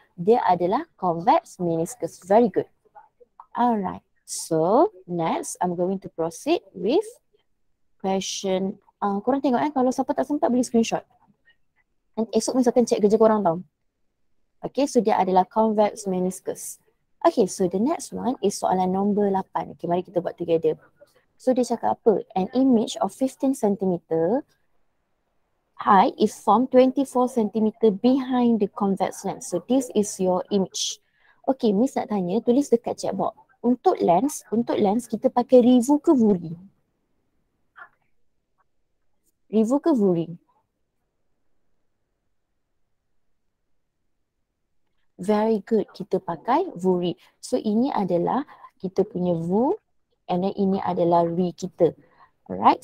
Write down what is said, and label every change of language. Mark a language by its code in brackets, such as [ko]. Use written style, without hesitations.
[ms] Dia adalah convex meniscus. [en] Very good. Alright. So next I'm going to proceed with question. [ms] Korang tengok kan, kalau siapa tak sempat boleh screenshot. And esok misalkan check kerja korang tau. [en] Okay, so [ms] dia adalah convex meniscus. [en] Okay, so the next one is soalan nombor 8. [ms] Okay, mari kita buat together. So dia cakap apa? [en] An image of 15 cm high is formed 24 cm behind the convex lens. So this is your image. Okay, [ms] Miss nak tanya, tulis dekat chatbot. Untuk lens kita pakai Revu ke Vuri? Revu ke Vuri? [en] Very good. [ms] Kita pakai Vuri. So ini adalah kita punya Vu and then ini adalah Ri kita. Alright.